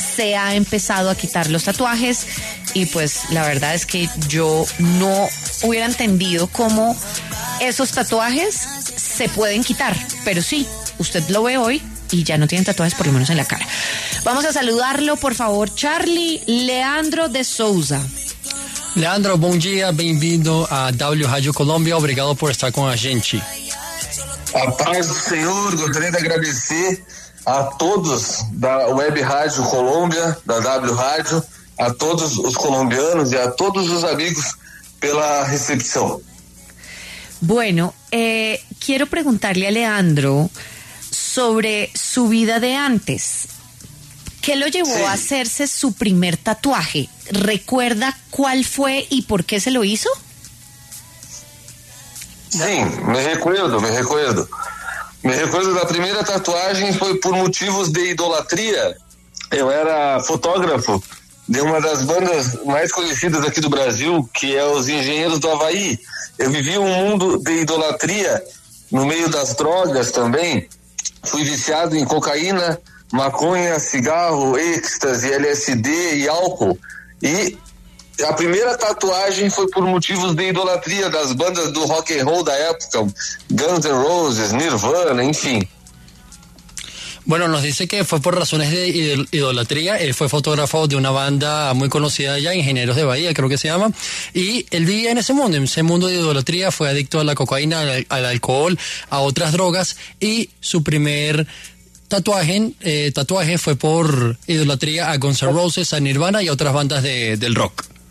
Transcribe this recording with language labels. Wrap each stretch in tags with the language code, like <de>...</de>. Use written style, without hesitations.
<es>Se ha empezado a quitar los tatuajes y pues la verdad es que yo no hubiera entendido cómo esos tatuajes se pueden quitar. Pero sí, usted lo ve hoy y ya no tiene tatuajes, por lo menos en la cara. Vamos a saludarlo, por favor, Charlie Leandro de Souza.</es> <pt>Leandro, bom dia, bem-vindo a W Rádio Colômbia, obrigado por estar com a gente. A paz do Senhor, gostaria de agradecer a todos da Web Rádio Colômbia, da W Rádio, a todos os colombianos e a todos os amigos pela recepção.</pt> <es>Bueno, quiero preguntarle a Leandro sobre su vida de antes. ¿Qué lo llevó, sí, a hacerse su primer tatuaje? ¿Recuerda cuál fue y por qué se lo hizo? Sí, me recuerdo. Me recuerdo</es> <pt>da primeira tatuagem, foi por motivos de idolatria. Eu era fotógrafo de uma das bandas mais conhecidas aqui do Brasil, que é os Engenheiros do Havaí. Eu vivi um mundo de idolatria, no meio das drogas também. Fui viciado em cocaína, maconha, cigarro, êxtase, LSD e álcool. E a primeira tatuagem foi por motivos de idolatria das bandas do rock and roll da época, Guns N' Roses, Nirvana, enfim.</pt> <es>Bueno, nos dice que fue por razones de idolatría. Él fue fotógrafo de una banda muy conocida ya, Ingenieros de Bahía, creo que se llama. Y él vivía en ese mundo de idolatría, fue adicto a la cocaína, al alcohol, a otras drogas. Y su primer tatuaje fue por idolatría a Guns N' Roses, a Nirvana y a otras bandas del rock.</es>